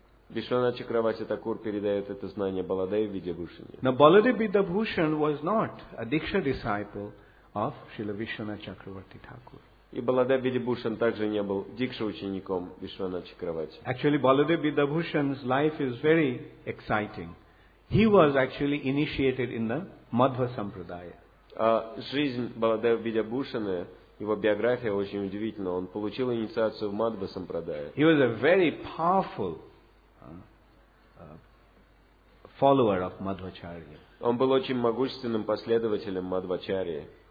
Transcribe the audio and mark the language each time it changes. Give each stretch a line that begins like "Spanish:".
Russian: Вишвана Чакраварти Такур передает это знание Баладеве Видьябхушане.
English: Now, Баладева Видьябхушан was not a Диксха disciple of Шрила Вишвана Чакраварти Такур.
Russian: И Баладева Видьябхушан также не был Дикша учеником Вишвана Чакраварти.
English: Actually, Баладева Видьябхушан's life is very exciting. He was actually initiated in the Madhva Sampradaya.
Russian: Жизнь Баладева Видьябхушана, его биография очень удивительна. Он получил инициацию в Мадхва Сампрадая.
English: He was a very powerful follower of Madhvacharya.
Russian: Он был очень могущественным последователем Мадхвачарьи.